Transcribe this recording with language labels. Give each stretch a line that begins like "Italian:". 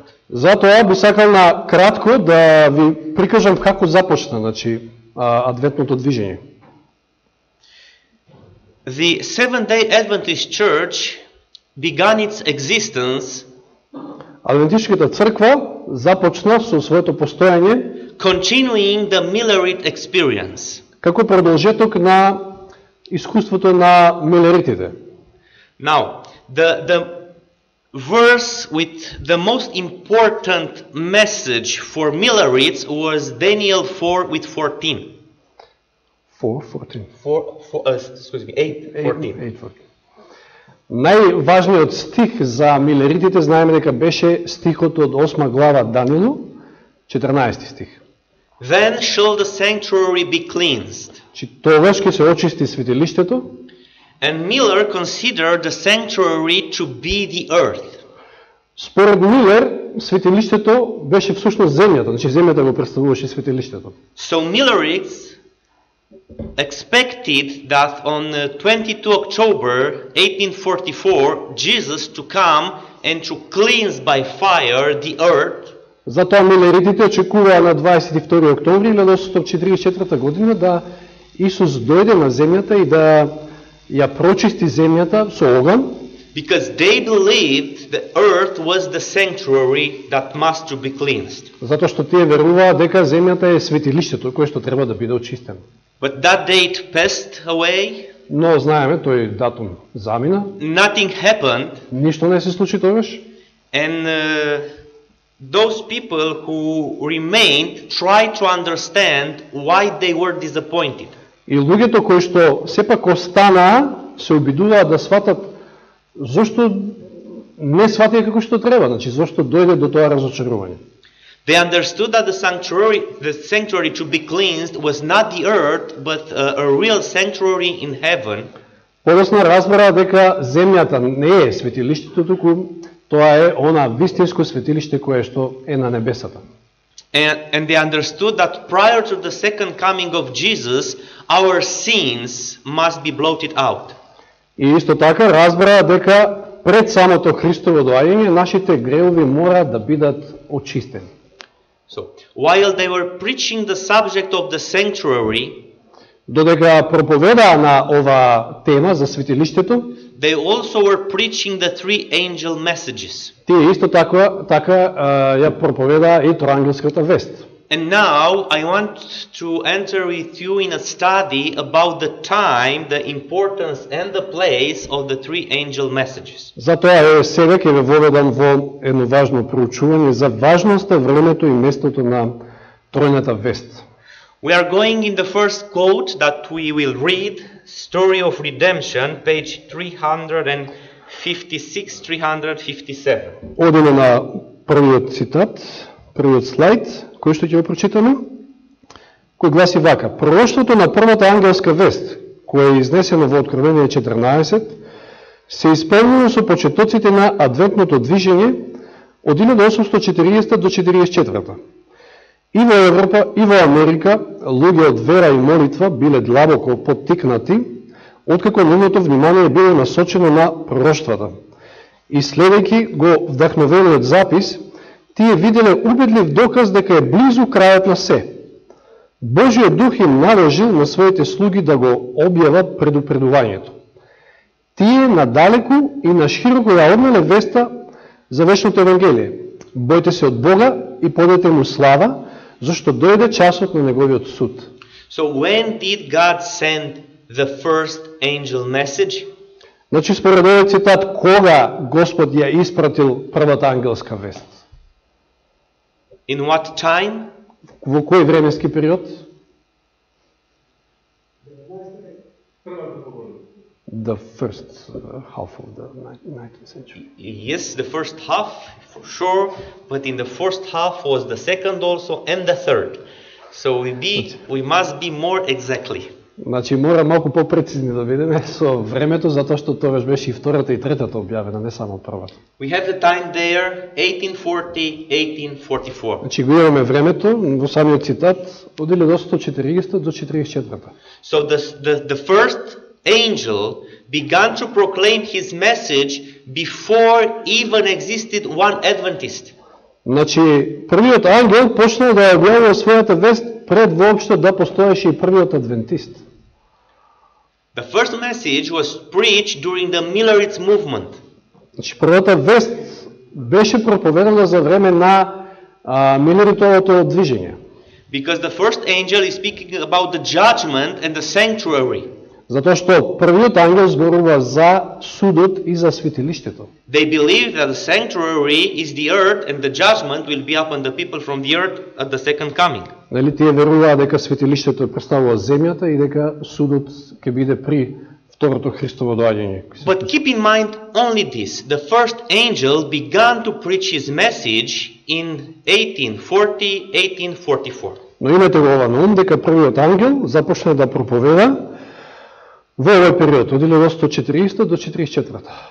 Macedonian: Затоа би сакал на кратко да ви прикажам како започна, значи, адвентното движење.
English: The Seventh-day Adventist Church began its existence.
Macedonian: Адвентистичката црква започна со своето постоење,
English: continuing the Millerite experience.
Macedonian: Како продолжеток на искуството на милеритите.
English: Now, the verse with the most important message for Millerites was Daniel 4 with 14. 4, 14. 4, 4, excuse me, 8, 14. 8, 14.
Macedonian: Најважниот стих за милеритите, знаеме дека беше стихот од 8 глава Данило, 14 стих.
English: Then shall the sanctuary be cleansed.
Macedonian: Чи тогаш ќе се очисти светилиштето?
English: And Miller considered the sanctuary to be the earth.
Macedonian: Според Милер, светилиштето беше всушност земјата, значи земјата го претставуваше светилиштето.
English: So Miller expected that on 22 October 1844 Jesus to come and to cleanse by fire the earth.
Macedonian: Затоа милеритите очекуваа на 22 октомври 1844 година да Исус дојде на земјата и да ја прочисти земјата со оган.
English: Because they believed the earth was the sanctuary that must to be cleansed.
Macedonian: Затоа што тие веруваа дека земјата е светилиштето кое што треба да биде очистено.
English: But that date passed away.
Macedonian: Но знаеме тој датум замина.
English: Nothing happened.
Macedonian: Ништо не се случи тогаш.
English: And those people who remained tried to understand why they were disappointed.
Macedonian: И луѓето кои што сепак останаа се обидуваа да сватат зошто не сватија како што треба, значи зошто дојде до тоа разочарување.
English: They understood that the sanctuary to be cleansed was not the earth but a real sanctuary in heaven.
Macedonian: Подоцна разбраа дека земјата не е светилиштето, туку тоа е она вистинско светилиште кое што е на небесата.
English: And they understood that prior to the second coming of Jesus, our sins must be blotted out.
Macedonian: И исто така разбраа дека пред самото Христово доаѓање нашите греови мора да бидат очистени.
English: So, while they were preaching the subject of the sanctuary,
Macedonian: додека проповедаа на оваа тема за светилиштето,
English: they also were preaching the three angel messages.
Macedonian: Тие исто така ја проповедаа и троангелската вест.
English: And now I want to enter with you in a study about the time, the importance and the place of the three angel messages.
Macedonian: Затоа е сега ќе ве воведам во едно важно проучување за важноста, времето и местото на тројната вест.
English: We are going in the first quote that we will read, Story of Redemption, page 356-357.
Macedonian: Одиме на првиот цитат, првиот слайд, кој што ќе го прочитаме, кој гласи вака: Пророќството на првата ангелска вест, која е изнесено во Откровение 14, се исполнило со почетоците на адвентното движење од 1840 до 1844. И во Европа, и во Америка, луѓе од вера и молитва биле длабоко поттикнати, откако нивното внимание било насочено на пророќствата. И следејќи го вдахновениот запис, тие виделе убедлив доказ дека е близу крајот на се. Божиот дух им наложил на своите слуги да го објават предупредувањето. Тие надалеку и на широко ја однеле веста за вечното евангелие. Бојте се од Бога и подете му слава, зашто дојде часот на неговиот суд.
English: So when did God send the first angel message?
Macedonian: Значи, според овој цитат, кога Господ ја испратил првата ангелска вест?
English: In what time?
Macedonian: Во кој временски период?
English: The first half of the 19th century. Yes, the first half, for sure. But in the first half was the second also, and the third. So we must be more exactly.
Macedonian: Значи, мора малку попрецизни да бидеме со времето, затоа што тоа беше и втората и третата објавена, не само првата.
English: We have the time there, 1840-1844.
Macedonian: Значи, го имаме времето во самиот цитат од 1840 до 1844.
English: So the first angel began to proclaim his message before even existed one Adventist.
Macedonian: Значи, првиот ангел почнал да ја објавува својата вест пред воопшто да постоеше и првиот адвентист.
English: The first message was preached during the Millerites movement.
Macedonian: Значи, првата вест беше проповедана за време на Милеритовото движење.
English: Because the first angel is speaking about the judgment and the sanctuary.
Macedonian: Затоа што првиот ангел зборува за судот и за светилиштето.
English: They believe that the sanctuary is the earth and the judgment will be upon the people from the earth at the second coming.
Macedonian: Нели тие веруваа дека светилиштето представува земјата и дека судот ќе биде при второто Христово доаѓање.
English: But keep in mind only this. The first angel began to preach his message in 1840-1844.
Macedonian: Но имате го ова на ум дека првиот ангел започна да проповеда во овој период, од 1840 до 44.